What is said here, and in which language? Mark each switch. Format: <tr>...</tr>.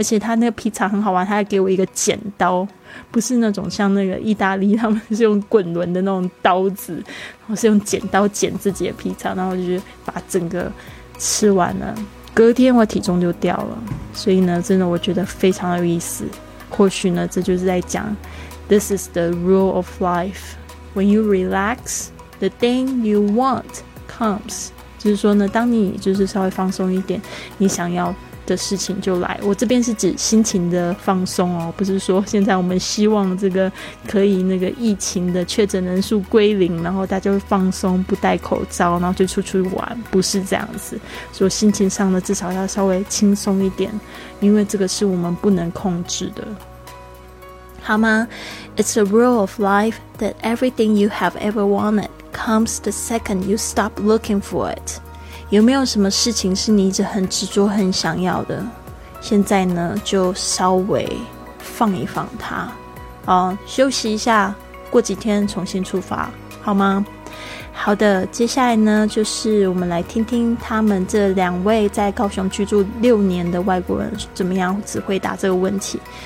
<zh>而且他那个披萨很好玩，他还给我一个剪刀，不是那种像那个意大利他们是用滚轮的那种刀子，我是用剪刀剪自己的披萨，然后就把整个吃完了。隔天我体重就掉了，所以呢真的我觉得非常有意思。或许呢这就是在讲</zh> <en>This is the rule of life. When you relaxThe thing you want comes.</en> <zh>就是说呢，当你就是稍微放松一点，你想要的事情就来。我这边是指心情的放松哦，不是说现在我们希望这个可以那个疫情的确诊人数归零，然后大家会放松，不戴口罩，然后就出去玩，不是这样子。所以心情上呢，至少要稍微轻松一点，因为这个是我们不能控制的。好吗？</zh> <en>It's a rule of life that everything you have ever wanted comes the second you stop looking for it.</en> <zh>有没有什么事情是你一直很执着很想要的？现在呢就稍微放一放它，休息一下，过几天重新出发，好吗？好的，接下来呢就是我们来听听他们这两位在高雄居住六年的外国人怎么样子回答这个问题。</zh>